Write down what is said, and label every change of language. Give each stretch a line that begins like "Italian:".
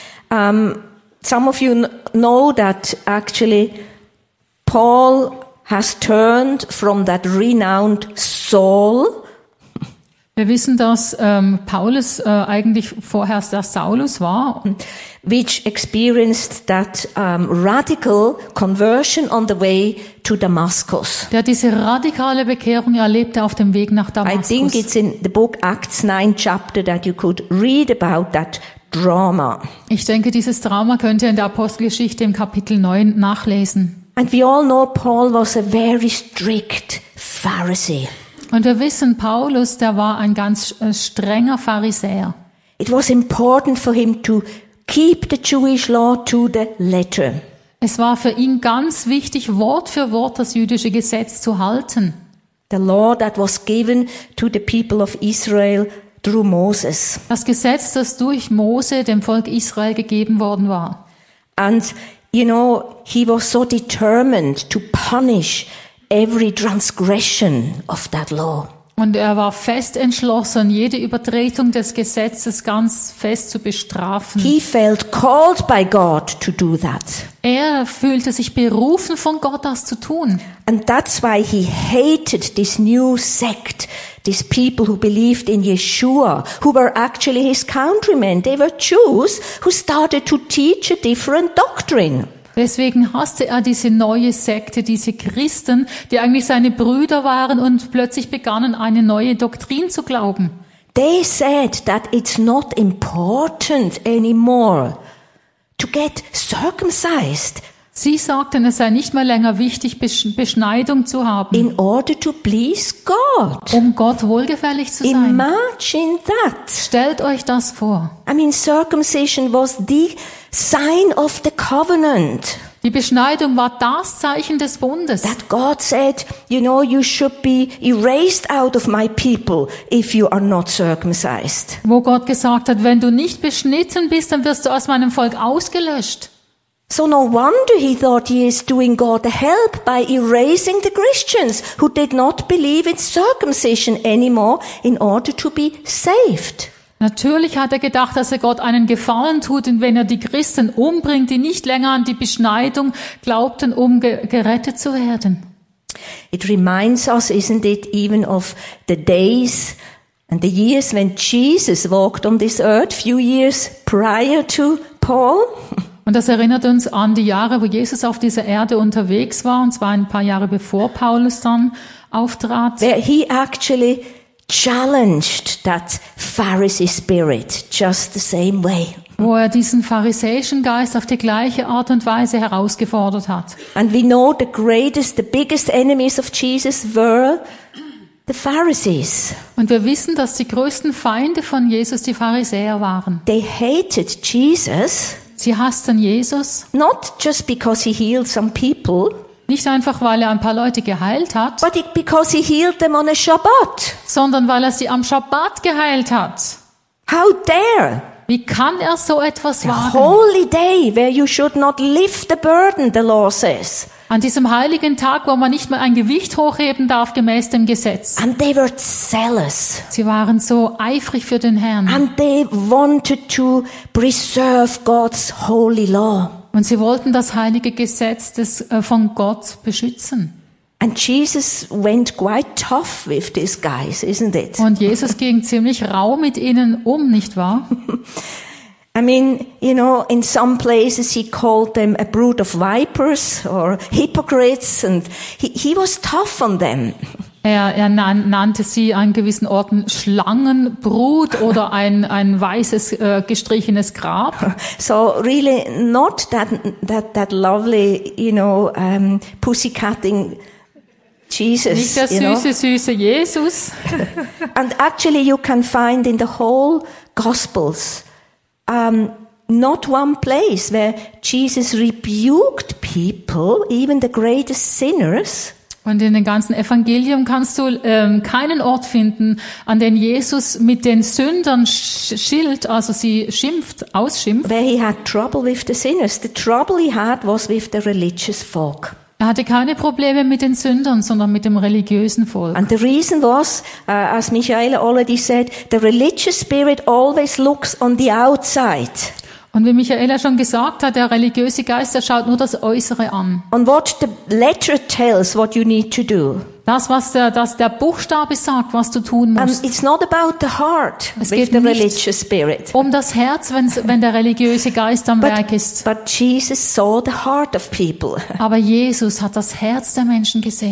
English: Some of you know that actually Paul has turned from that renowned Saul.
German: Wir wissen, dass Paulus eigentlich vorher der Saulus war,
English: which experienced that radical conversion on the way to Damascus.
German: Der diese radikale Bekehrung erlebte auf dem Weg nach Damaskus.
English: I think it's in the book Acts 9 chapter that you could read about that drama.
German: Ich denke, dieses Drama könnt ihr in der Apostelgeschichte im Kapitel 9 nachlesen.
English: And we all know Paul was a very strict Pharisee.
German: Und wir wissen, Paulus, der war ein ganz strenger Pharisäer.
English: It was important for him to keep the Jewish law to the letter.
German: Es war für ihn ganz wichtig, Wort für Wort das jüdische Gesetz zu halten.
English: The law that was given to the people of Israel through Moses.
German: Das Gesetz, das durch Mose dem Volk Israel gegeben worden war.
English: And you know, he was so determined to punish every transgression of that law.
German: Und er war fest entschlossen, jede Übertretung des Gesetzes ganz fest zu bestrafen.
English: He felt called by God to do that.
German: Er fühlte sich berufen von Gott, das zu tun.
English: And that's why he hated this new sect, these people who believed in Yeshua, who were actually his countrymen. They were Jews who started to teach a different doctrine.
German: Deswegen hasste er diese neue Sekte, diese Christen, die eigentlich seine Brüder waren und plötzlich begannen, eine neue Doktrin zu glauben.
English: They said that it's not important anymore to get circumcised.
German: Sie sagten, es sei nicht mehr länger wichtig, Beschneidung zu haben.
English: In order to please God.
German: Um Gott wohlgefällig zu sein.
English: Imagine that.
German: Stellt euch das vor.
English: I mean, circumcision was the sign of the covenant.
German: Die Beschneidung war das Zeichen des Bundes.
English: That God said, you know, you should be erased out of my people if you are not circumcised.
German: Wo Gott gesagt hat, wenn du nicht beschnitten bist, dann wirst du aus meinem Volk ausgelöscht.
English: So no wonder he thought he is doing God a help by erasing the Christians who did not believe in circumcision anymore in order to be saved.
German: Natürlich hat er gedacht, dass er Gott einen Gefallen tut, wenn er die Christen umbringt, die nicht länger an die Beschneidung glaubten, um gerettet zu werden.
English: It reminds us, isn't it, even of the days and the years when Jesus walked on this earth, few years prior to Paul.
German: Und das erinnert uns an die Jahre, wo Jesus auf dieser Erde unterwegs war, und zwar ein paar Jahre bevor Paulus dann auftrat.
English: Where he actually challenged that Pharisee spirit just the same way.
German: Wo er diesen pharisäischen Geist auf die gleiche Art und Weise herausgefordert hat.
English: And we know the greatest, the biggest enemies of Jesus were the Pharisees.
German: Und wir wissen, dass die größten Feinde von Jesus die Pharisäer waren.
English: They hated Jesus.
German: Sie hassten Jesus.
English: Not just because he healed some people.
German: Nicht einfach, weil er ein paar Leute geheilt hat.
English: But because he healed them on a Shabbat.
German: Sondern weil er sie am Shabbat geheilt hat.
English: How dare?
German: Wie kann er so etwas wagen?
English: A holy day where you should not lift the burden, the law says.
German: An diesem heiligen Tag, wo man nicht mehr ein Gewicht hochheben darf, gemäß dem Gesetz.
English: And they were zealous.
German: Sie waren so eifrig für den Herrn.
English: And they wanted to preserve God's holy law.
German: Und sie wollten das heilige Gesetz von Gott beschützen.
English: And Jesus went quite tough with these guys, isn't it?
German: Und Jesus ging ziemlich rau mit ihnen um, nicht wahr?
English: I mean, you know, in some places he called them a brood of vipers or hypocrites, and he was tough on them.
German: Er nannte sie an gewissen Orten Schlangenbrut oder ein weißes gestrichenes Grab.
English: So really not that lovely, you know, pussycatting Jesus.
German: Nicht der süße,
English: you know?
German: Süße Jesus.
English: And actually you can find in the whole Gospels not one place where Jesus rebuked people, even the greatest sinners.
German: Und in den ganzen Evangelium kannst du keinen Ort finden, an dem Jesus mit den Sündern ausschimpft.
English: Where he had trouble with the sinners. The trouble he had was with the religious folk.
German: Er hatte keine Probleme mit den Sündern, sondern mit dem religiösen Volk.
English: And the reason was, as Michaela already said, the religious spirit always looks on the outside.
German: Und wie Michaela schon gesagt hat, der religiöse Geist, der schaut nur das Äußere an.
English: And what the letter tells, what you need to do.
German: Das, was der, das, der Buchstabe sagt, was du tun musst.
English: And it's not about the heart,
German: es geht
English: the religious spirit.
German: Um das Herz, wenn der religiöse Geist am Werk ist.
English: But Jesus saw the heart of people.
German: Aber Jesus hat das Herz der Menschen gesehen.